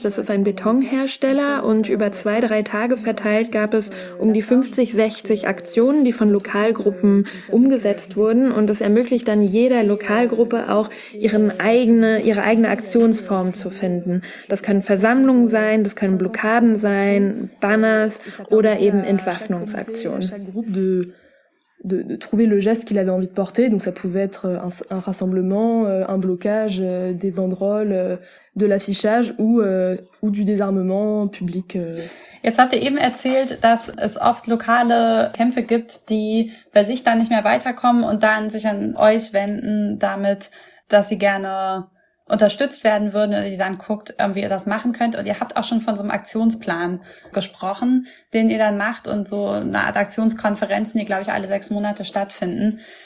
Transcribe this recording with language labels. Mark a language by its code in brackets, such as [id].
[de] Das ist ein Betonhersteller. Und über 2-3 Tage verteilt gab es um die 50-60 Aktionen, die von Lokalgruppen umgesetzt wurden. Und das ermöglicht dann jeder Lokalgruppe auch, ihre eigene Aktion Form zu finden. Das können Versammlungen sein, das können Blockaden sein, Banners oder eben Entwaffnungsaktionen. [fr] De trouver le geste qu'il avait envie de porter, donc ça pouvait être un rassemblement, un blocage, des banderoles, de l'affichage ou du désarmement public. [de] Jetzt habt ihr eben erzählt, dass es oft lokale Kämpfe gibt, die bei sich dann nicht mehr weiterkommen und dann sich an euch wenden, damit, dass sie gerne unterstützt werden würden, die dann guckt, wie ihr das machen könnt. Und ihr habt auch schon von so einem Aktionsplan gesprochen, den ihr dann macht, und so eine Art Aktionskonferenzen, die, glaube ich, alle 6 Monate stattfinden.